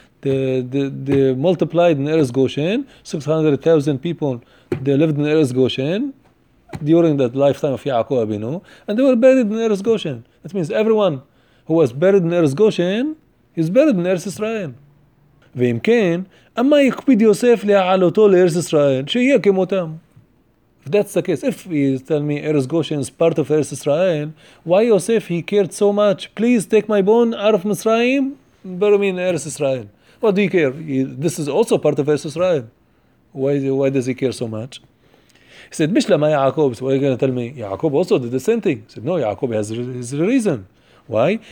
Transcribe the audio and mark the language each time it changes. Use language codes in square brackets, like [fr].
[en] They multiplied in Eretz Goshen, 600,000 people, they lived in Eretz Goshen, during that lifetime of Yaakov Abinu, and they were buried in Eretz Goshen. That means everyone who was buried in Eretz Goshen is buried in Eretz Israel. [he] ואם כן, אמה יקפיד יוסף להעלותו לארץ ישראל, שיהיה כמותם. [en] that's the case, if you tell me Eretz Goshen is part of Eretz Israel, why Yosef, he cared so much? Please take my bone out of Mitzrayim, but I mean Eretz Israel. What do you care? This is also part of Eretz Israel. Why does he care so much? He said, Mishlama Yaakov. So what are you going to tell me? Yaakov also did the same thing. He said, no, Yaakov has his reason. Why?